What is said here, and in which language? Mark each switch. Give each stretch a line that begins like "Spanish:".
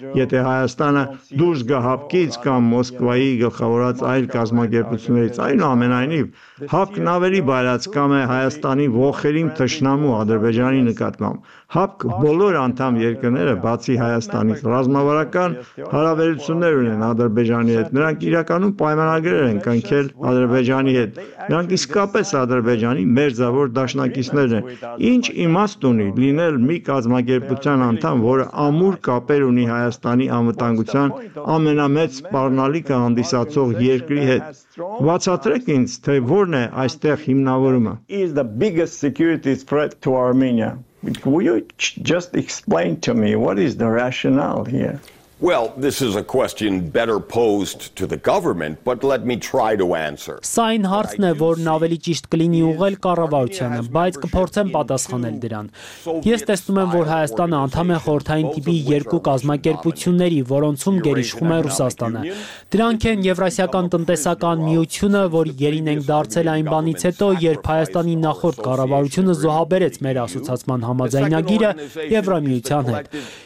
Armenian: եթե Հայաստանը դուրս գահապկի կամ Մոսկվայի գլխավորած այլ կազմակերպություններից, այնուամենայնիվ հապկն ավելի բարյացակամ է Հայաստանի ողերիմ թշնամու Ադրբեջանի նկատմամբ։ Հապկ բոլոր անդամ երկրները, բացի Հայաստանից, ռազմավարական հարաբերություններ ունեն Ադրբեջանի հետ, նրանք իրականում պայմանագրեր են կնքել Ադրբեջանի հետ, նրանք իսկապես Ադրբեջանի մերձավոր դաշնակիցներ են։ Ինչ իմաստ ունի լինել մի կազմակերպության անդամ, որը ամուր կապեր ունի Հայաստանի անվտանգության ամենամեծ սպառնալիքը հանդիսացող երկրի հետ։ Բացատրեք ինձ, թե որն է այստեղ հիմնավորումը։
English: Is the biggest security threat to Armenia. Will you just explain to me what is the rationale here? Well, this is a question better posed to the government, but let me try to answer.
Armenian: Սայն հարցն է, որն ավելի ճիշտ կլինի ուղղել կառավարությանը, բայց կփորձեմ պատասխանել դրան։ Ես տեսնում եմ, որ Հայաստանը անդամ է խորհրդային տիպի երկու կազմակերպությունների, որոնցում գերիշխում է Ռուսաստանը։ Դրանք են Եվրասիական տնտեսական միությունը, որը երին ենք դարձել այն բանից հետո, երբ Հայաստանի նախորդ կառավարությունը զոհաբերեց մեր ասոցացման համաձայնագիրը Եվրամիության հետ։